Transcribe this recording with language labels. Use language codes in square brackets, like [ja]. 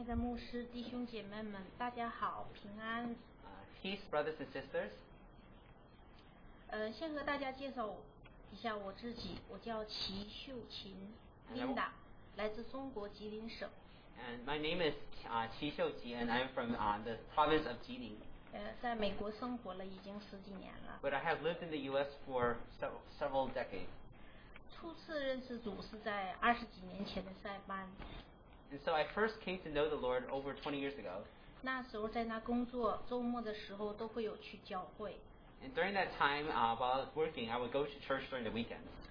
[zh] 亲爱的牧师弟兄姐妹们大家好平安 [en] Peace brothers and sisters [zh] 先和大家介绍一下我自己 我叫齐秀琴 Linda 来自中国吉林省 [en] And my name is Qi Xiuqi and I'm from the province of Jilin [zh] 在美国生活了已经十几年了 [en] But I have lived in the US for several decades [zh] 初次认识主是在二十几年前的塞班 [en] And so I first came to know the Lord over 20 years ago. [zh] 那时候在那工作, 周末的时候都会有去教会。 [en] And during that time, while I was working, I would go to church during the weekends.